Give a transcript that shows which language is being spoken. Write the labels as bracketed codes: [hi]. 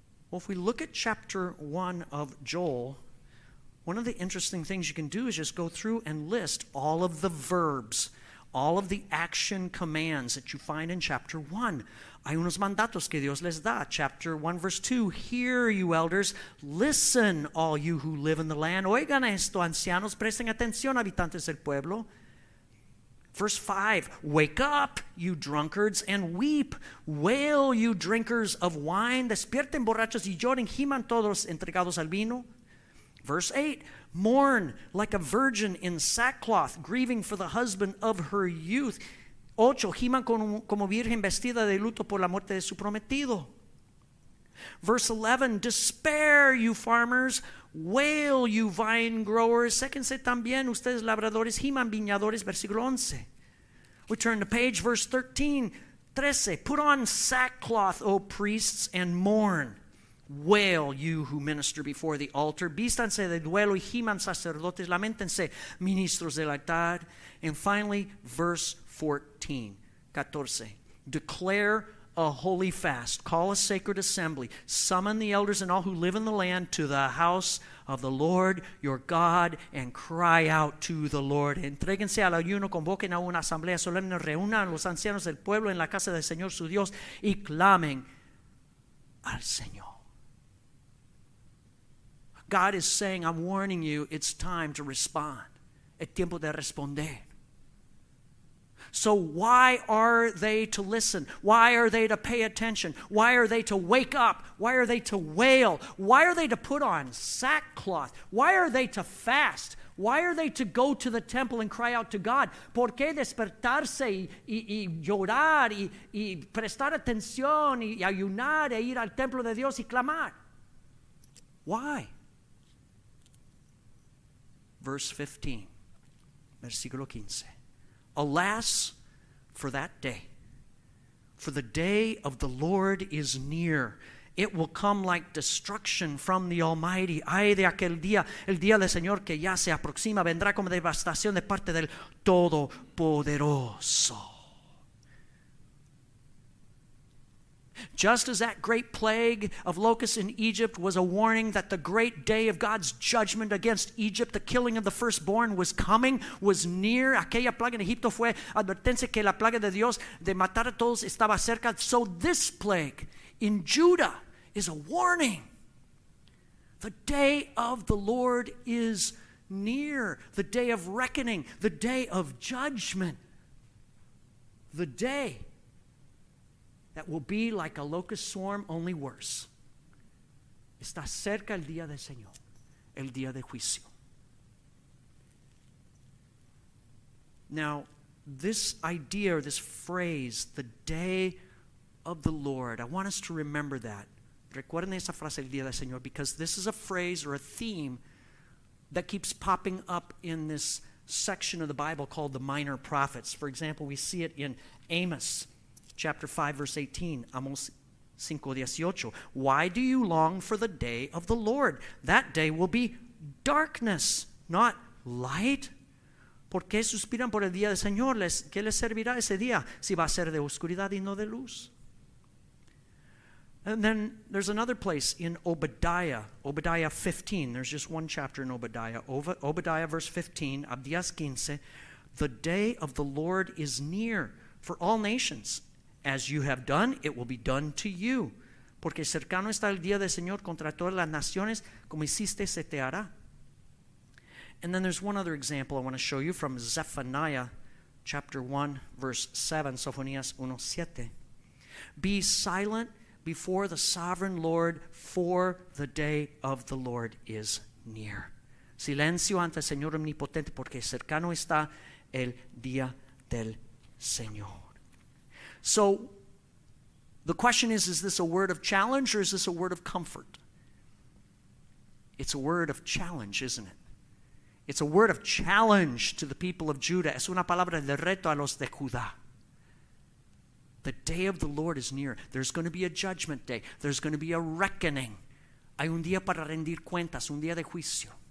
[en] Well, if we look at chapter 1 of Joel, one of the interesting things you can do is just go through and list all of the verbs, all of the action commands that you find in chapter 1. [es] Hay unos mandatos que Dios les da. [en] Chapter 1, verse 2, hear, you elders, listen, all you who live in the land. [es] Oigan esto, ancianos, presten atención, habitantes del pueblo. [en] Verse 5, wake up, you drunkards, and weep. Wail, you drinkers of wine. [es] Despierten, borrachos, y lloren, giman todos entregados al vino. [en] Verse 8, mourn like a virgin in sackcloth, grieving for the husband of her youth. [es] 8, giman como virgen vestida de luto por la muerte de su prometido. [en] Verse 11, despair, you farmers, wail, you vine growers. [es] Séquense también ustedes labradores, giman viñadores. Versículo 11. [en] We turn the page, verse 13, put on sackcloth, O priests, and mourn. Wail, you who minister before the altar. [es] Vístanse de duelo y giman sacerdotes. Lamentense, ministros del altar. [en] And finally, verse 14. Declare a holy fast. Call a sacred assembly. Summon the elders and all who live in the land to the house of the Lord your God and cry out to the Lord. [es] Entréguense al ayuno, convoquen a una asamblea solemne, reúnan los ancianos del pueblo en la casa del Señor su Dios y clamen al Señor. [en] God is saying, I'm warning you, it's time to respond. [es] Es tiempo de responder. [en] So why are they to listen? Why are they to pay attention? Why are they to wake up? Why are they to wail? Why are they to put on sackcloth? Why are they to fast? Why are they to go to the temple and cry out to God? [es] ¿Por qué despertarse y llorar y prestar atención y ayunar e ir al templo de Dios y clamar? [en] Why? Verse 15, versículo 15. Alas for that day, for the day of the Lord is near. It will come like destruction from the Almighty. [es] Ay de aquel día, el día del Señor que ya se aproxima, vendrá como devastación de parte del Todopoderoso. [en] Just as that great plague of locusts in Egypt was a warning that the great day of God's judgment against Egypt, the killing of the firstborn, was coming, was near. [es] Aquella plaga en Egipto fue advertencia que la plaga de Dios de matar a todos estaba cerca. [en] So this plague in Judah is a warning. The day of the Lord is near. The day of reckoning. The day of judgment. The day that will be like a locust swarm, only worse. [es] Está cerca el día del Señor, el día de juicio. [en] Now, this idea, or this phrase, the day of the Lord, I want us to remember that. [es] Recuerden esa frase, el día del Señor, [en] because this is a phrase or a theme that keeps popping up in this section of the Bible called the Minor Prophets. For example, we see it in Amos chapter 5, verse 18, Amos 5, 18. Why do you long for the day of the Lord? That day will be darkness, not light. [es] ¿Por qué suspiran por el día del Señor? ¿Qué les servirá ese día? Si va a ser de oscuridad y no de luz. [en] And then there's another place in Obadiah 15. There's just one chapter in Obadiah. Obadiah verse 15, Abdias 15. The day of the Lord is near for all nations. As you have done, it will be done to you. [es] Porque cercano está el día del Señor contra todas las naciones, como hiciste, se te hará. [en] And then there's one other example I want to show you from Zephaniah chapter 1, verse 7, Sofonías 1, 7. Be silent before the sovereign Lord, for the day of the Lord is near. [es] Silencio ante el Señor omnipotente, porque cercano está el día del Señor. [en] So, the question is this a word of challenge or is this a word of comfort? It's a word of challenge, isn't it? It's a word of challenge to the people of Judah. [es] Es una palabra de reto a los de Judá. [en] The day of the Lord is near. There's going to be a judgment day. There's going to be a reckoning. [es] Hay un día para rendir cuentas, un día de juicio.